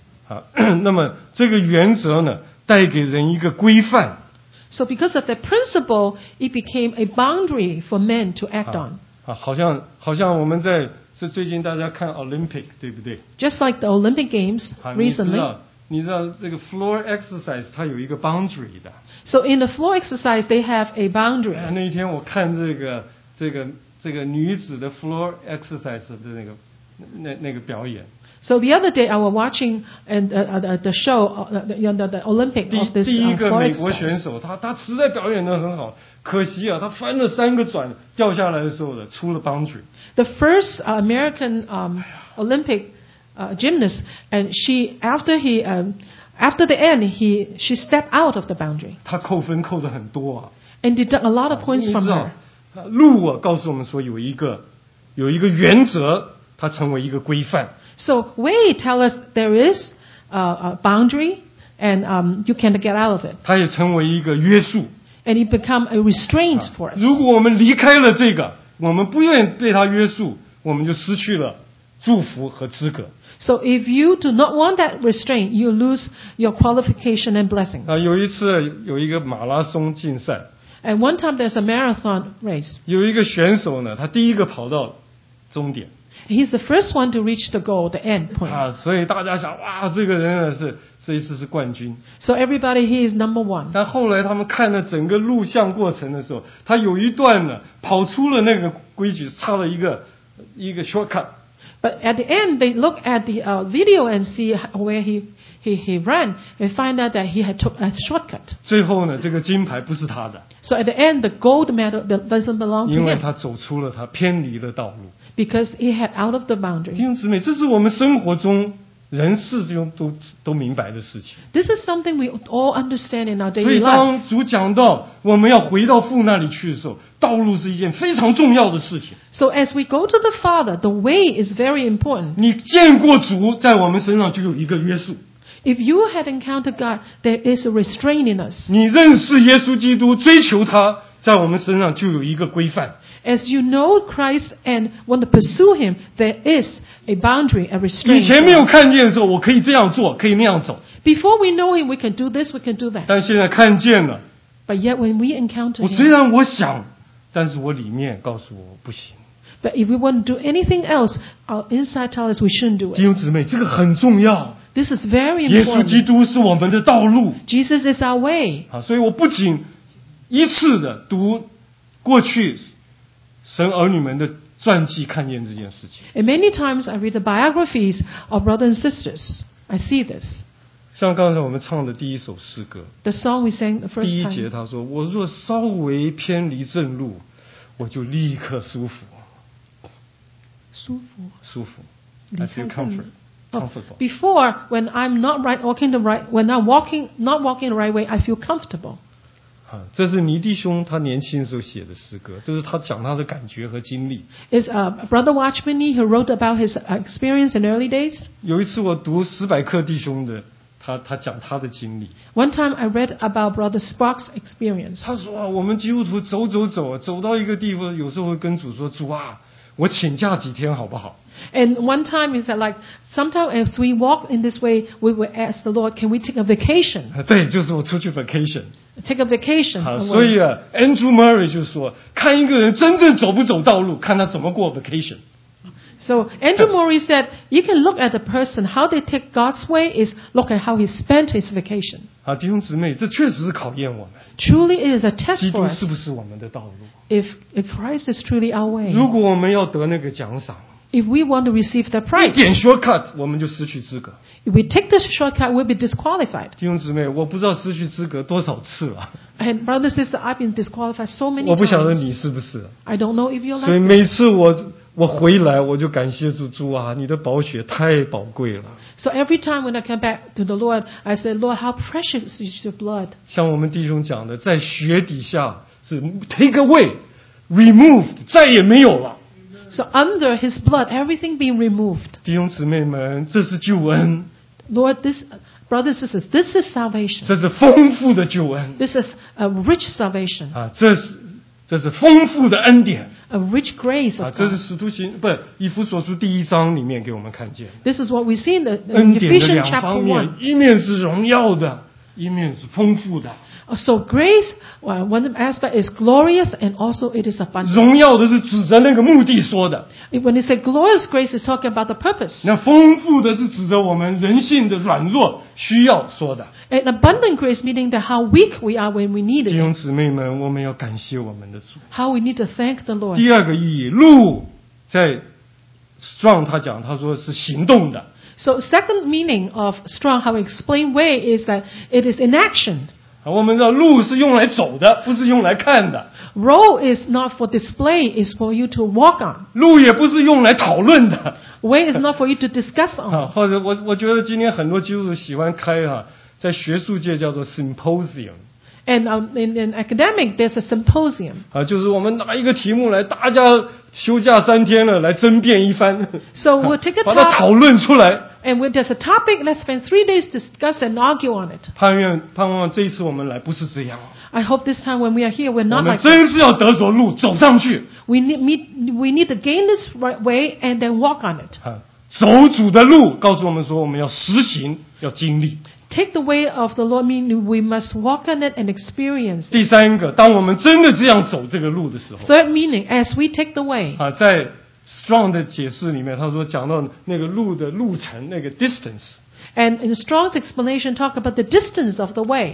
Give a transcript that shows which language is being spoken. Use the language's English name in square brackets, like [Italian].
[Chinese] 好，那么这个原则呢，带给人一个规范。 [English] So because of that principle, it became a boundary for men to act on. [Chinese] 好像我们在这最近大家看 Olympic, 对不对？ [English] Just like the Olympic Games recently. [Chinese] 你知道这个 floor exercise 它有一个 boundary 的。 [English] So in the floor exercise, they have a boundary. [Chinese] 那一天我看这个女子的 floor exercise 的那个表演。 [English] So the other day I was watching and the show the Olympic of this [Chinese] 第一个美国选手，他实在表演得很好，可惜啊，他翻了三个转掉下来的时候呢，出了 boundary. [English] The first American Olympic gymnast, and she after he after the end she stepped out of the boundary. [Chinese] 他扣分扣得很多啊。 [English] And deducted a lot of points from her. [Chinese] 路啊，告诉我们说有一个原则，它成为一个规范。 [English] So way tell us there is a boundary and you can't get out of it. [Chinese] 它也成为一个约束。 [English] And it become a restraint for us. [Chinese] 如果我们离开了这个，我们不愿意被它约束，我们就失去了祝福和资格。 [English] So if you do not want that restraint, you lose your qualification and blessings. [Chinese] 有一次有一个马拉松竞赛。 [English] And one time there's a marathon race. [Chinese] 有一个选手呢，他第一个跑到终点。 [English] He's the first one to reach the goal, the end point. [Chinese] 所以大家想，哇，这个人呢是这一次是冠军。 [English] So everybody, he is number one. [Chinese] 但后来他们看了整个录像过程的时候，他有一段呢跑出了那个规矩，差了一个 shortcut。 [English] But at the end, they look at the video and see where he ran and find out that he had took a shortcut. [Chinese] 最后呢，这个金牌不是他的。 [English] So at the end, the gold medal doesn't belong to him. [Chinese] 因为他走出了他偏离的道路。 [English] Because he had out of the boundary. [Chinese] 弟兄姊妹，这是我们生活中人世中都明白的事情。 [English] This is something we all understand in our daily life. [Chinese] 所以当主讲到我们要回到父那里去的时候，道路是一件非常重要的事情。 [English] So as we go to the Father, the way is very important. [Chinese] 你见过主，在我们身上就有一个约束。 [English] If you had encountered God, there is a restraint in us. [Chinese] 你认识耶稣基督，追求他，在我们身上就有一个规范。 [English] As you know Christ and want to pursue Him, there is a boundary, a restraint. [Chinese] 以前没有看见的时候，我可以这样做，可以那样走。 [English] Before we know Him, we can do this, we can do that. [Chinese] 但现在看见了。 [English] But yet when we encounter Him, [Chinese] 我虽然我想，但是我里面告诉我不行。 [English] But if we want to do anything else, our inside tells us we shouldn't do it. [Chinese] 弟兄姊妹，这个很重要。 [English] This is very important. [Chinese] 耶稣基督是我们的道路。 [English] Jesus is our way. [Chinese] 所以我不仅一次的读过去神儿女们的传记，看见这件事情。 [English] And many times I read the biographies of brothers and sisters. I see this. [Chinese] 像刚才我们唱的第一首诗歌。 [English] The song we sang the first time. [Chinese] 第一节他说：“我若稍微偏离正路，我就立刻舒服。” 舒服。舒服。 [English] I feel comfort. Oh, before, when I'm not right, walking the right, when I'm walking, not walking the right way, I feel comfortable. [Chinese] 这是倪弟兄他年轻时候写的诗歌，这是他讲他的感觉和经历。 [English] It's a brother Watchman Nee who wrote about his experience in early days. [Chinese] 有一次我读斯百克弟兄的，他讲他的经历。 [English] One time I read about brother Sparks' experience. [Chinese] 他说啊，我们基督徒走走走，走到一个地方，有时候会跟主说，主啊。我请假几天好不好？ [English] And one time is that like, sometimes as we walk in this way, we will ask the Lord, can we take a vacation? [Chinese] 对，就是我出去 vacation. [English] Take a vacation. [Chinese] 所以啊 ，Andrew Murray 就说，看一个人真正走不走道路，看他怎么过 vacation. [English] So Andrew Murray said, you can look at the person how they take God's way is look at how he spent his vacation. [Chinese] 啊，弟兄姊妹，这确实是考验我们。 [English] Truly it is a test for us. [Chinese] 基督是不是我们的道路？ [English] If Christ is truly our way, [Chinese] 如果我们要得那个奖赏， [English] if we want to receive the prize, [Chinese] 一点 shortcut 我们就失去资格。 [English] If we take this shortcut, we'll be disqualified. [Chinese] 弟兄姊妹，我不知道失去资格多少次了。 [English] And brother, sister, I've been disqualified so many times. [Chinese] 我不晓得你是不是。 [English] I don't know if you're like. [Chinese] 所以每次我回来，我就感谢主啊，你的宝血太宝贵了。 [English] So every time when I come back to the Lord, I say, Lord, how precious is your blood? [Chinese] 像我们弟兄讲的，在血底下。是 [English] take away, removed, [Chinese] 再也没有了。 [English] So under his blood, everything being removed. [Chinese] 弟兄姊妹们，这是救恩。 [English] Lord, this, brothers and sisters, this is salvation. [Chinese] 这是丰富的救恩。 [English] This is a rich salvation. [Chinese] 这是丰富的恩典。 [English] A rich grace of God. [Chinese] 这是使徒行，不是，以弗所书第一章里面给我们看见。 [English] This is what we see in the Ephesians chapter 1. [Chinese] 恩典的两方面，一面是荣耀的。一面是丰富的。 [English] So grace, one aspect is glorious and also it is abundant. [Chinese] 荣耀的是指着那个目的说的。 [English] When it says glorious grace, it's talking about the purpose. [Chinese] 那丰富的是指着我们人性的软弱需要说的。 [English] And abundant grace meaning that how weak we are when we need it. [Chinese] 弟兄姊妹们，我们要感谢我们的主。 [English] How we need to thank the Lord. [Chinese] 第二个意义，路在 Strong 他讲，他说是行动的。 [English] So second meaning of strong, how we explain way is that it is in action. [Chinese] 我们知道路是用来走的，不是用来看的。 [English] Road is not for display, it's for you to walk on. [Chinese] 路也不是用来讨论的。 [English] Way is not for you to discuss on. [Chinese] 或者我觉得今天很多基督徒喜欢开啊，在学术界叫做 symposium。 [English] And in academic, there's a symposium. [Chinese] 就是我们拿一个题目来，大家休假三天了，来争辩一番。 [English] So we'll take a topic. [Chinese] 把它讨论出来。 [English] And when there's a topic, let's spend 3 days to discuss and argue on it. [Chinese] 盼望这一次我们来不是这样。 [English] I hope this time when we are here, we're not like. [Chinese] 我们真是要得着路走上去。 [English] We need to gain this right way and then walk on it. [Chinese] 走主的路，告诉我们说我们要实行，要经历。 [English] Take the way of the Lord, meaning we must walk on it and experience it. [Chinese] 第三个，当我们真的这样走这个路的时候。 [English] Third meaning, as we take the way. [Chinese] 啊，在 Strong 的解释里面，他说讲到那个路的路程，那个 distance. [English] And in Strong's explanation, talk about the distance of the way.